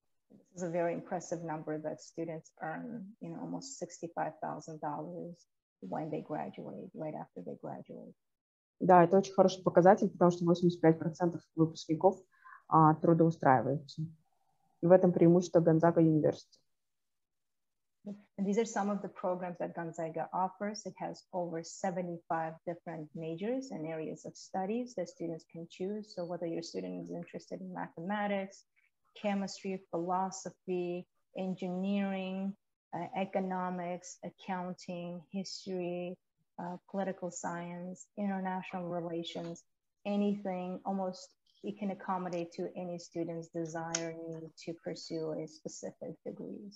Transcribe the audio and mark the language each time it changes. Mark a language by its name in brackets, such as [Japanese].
[English] This is a very impressive number that students earn, almost $65,000 when they graduate, right after they graduate. [Russian] Да, это очень хороший показатель, потому что 85% выпускников трудоустраиваются. И в этом преимущество Gonzaga University. [English] And these are some of the programs that Gonzaga offers. It has over 75 different majors and areas of studies that students can choose. So whether your student is interested in mathematics, chemistry, philosophy, engineering, economics, accounting, history, political science, international relations, anything, almost it can accommodate to any student's desire and need to pursue a specific degree.